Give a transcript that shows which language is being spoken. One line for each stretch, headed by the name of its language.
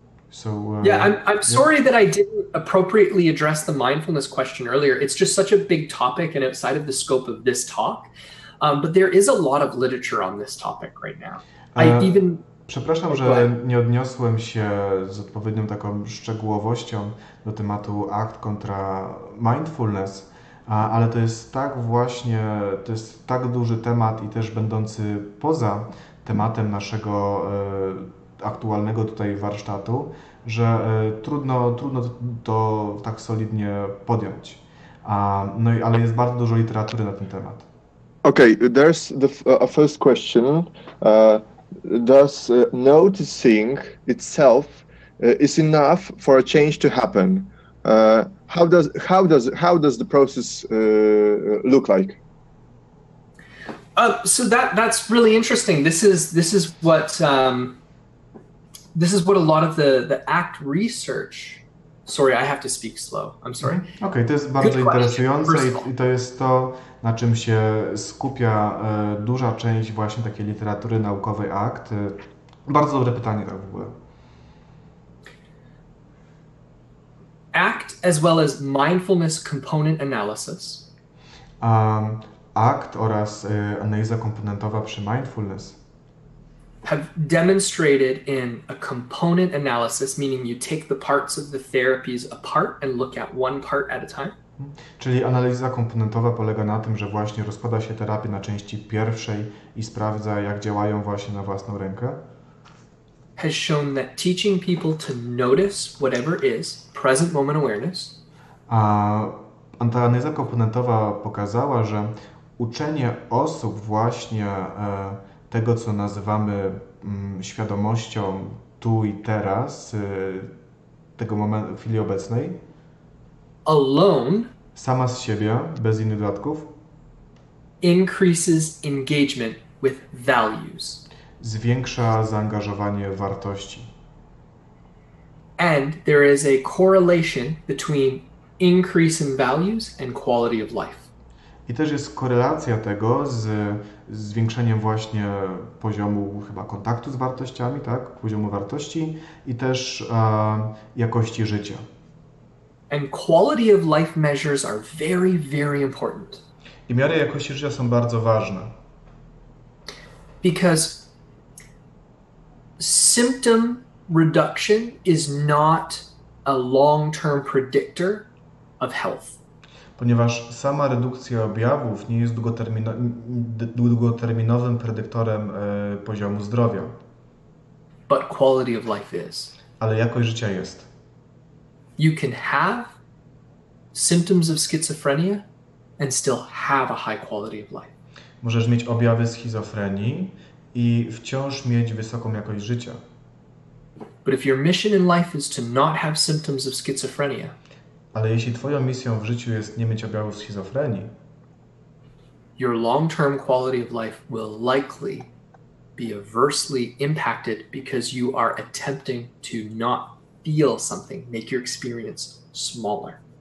English: So I'm sorry that I didn't appropriately address the mindfulness question earlier. It's just such a big topic and outside of the scope of this talk. But there is a lot of literature on this topic right now.
Polish: Przepraszam, że nie odniosłem się z odpowiednią taką szczegółowością do tematu ACT kontra mindfulness, ale to jest tak właśnie, to jest tak duży temat i też będący poza tematem naszego aktualnego tutaj warsztatu, że trudno to tak solidnie podjąć. No i ale jest bardzo dużo literatury na ten temat.
English: Okay, there's a first question. Does noticing itself is enough for a change to happen? How does the process look like? So that's really interesting. This is what a lot of the ACT research. Sorry, I have to speak slow. I'm sorry.
Polish: Okay, to jest bardzo interesujące i to jest to, na czym się skupia duża część właśnie takiej literatury naukowej ACT. Bardzo dobre pytanie tak w ogóle.
English: ACT as well as mindfulness component analysis.
Polish: ACT oraz analiza komponentowa przy mindfulness.
English: Have demonstrated in a component analysis, meaning you take the parts of the therapies apart and look at one part at a time.
Polish: Czyli analiza komponentowa polega na tym, że właśnie rozkłada się terapię na części pierwszej i sprawdza, jak działają właśnie na własną rękę.
English: Has shown that teaching people to notice whatever is, present moment awareness.
Polish: A ta analiza komponentowa pokazała, że uczenie osób właśnie tego, co nazywamy świadomością tu i teraz, tego momentu, chwili obecnej.
English: Alone.
Polish: Sama z siebie, bez innych dodatków.
English: Increases engagement with values.
Polish: Zwiększa zaangażowanie w wartości.
English: And there is a correlation between increase in values and quality of life.
Polish: I też jest korelacja tego z zwiększeniem właśnie poziomu chyba kontaktu z wartościami, tak? Poziomu wartości i też jakości życia.
English: And quality of life measures are very, very important.
Polish: I miary jakości życia są bardzo ważne.
English: Because symptom reduction is not a long-term predictor of health.
Polish: Ponieważ sama redukcja objawów nie jest długoterminowym predyktorem poziomu zdrowia.
English: But quality of life is.
Polish: Ale jakość życia jest.
English: You can have symptoms of schizophrenia and still have a high quality of life.
Polish: Możesz mieć objawy schizofrenii i wciąż mieć wysoką jakość życia.
English: But if your mission in life is to not have symptoms of schizophrenia,
Polish: ale jeśli twoją misją w życiu jest nie mieć objawów schizofrenii,
English: your long-term quality of life will likely be adversely impacted because you are attempting to not feel something, make your experience smaller.